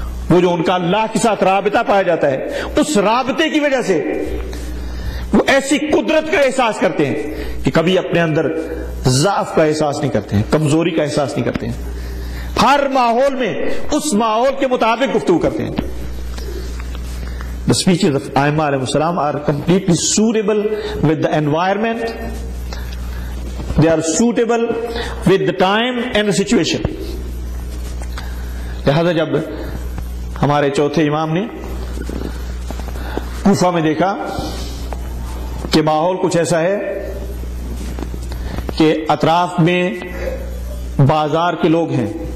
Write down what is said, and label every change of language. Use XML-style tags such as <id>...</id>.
<ur>وہ جو ان کا اللہ کے ساتھ رابطہ پایا جاتا ہے اس رابطے کی وجہ سے وہ ایسی قدرت کا احساس کرتے ہیں کہ کبھی اپنے اندر ضعف کا احساس نہیں کرتے ہیں, کمزوری کا احساس نہیں کرتے ہیں, ہر ماحول میں اس ماحول کے مطابق گفتگو کرتے ہیں.</ur> <en>The speeches of Aima alayhi salam are completely suitable with the environment, they are suitable with the time and the situation.</en> <ur>لہذا جب ہمارے چوتھے امام نے کوفہ میں دیکھا کہ ماحول کچھ ایسا ہے کہ اطراف میں بازار کے لوگ ہیں,</ur>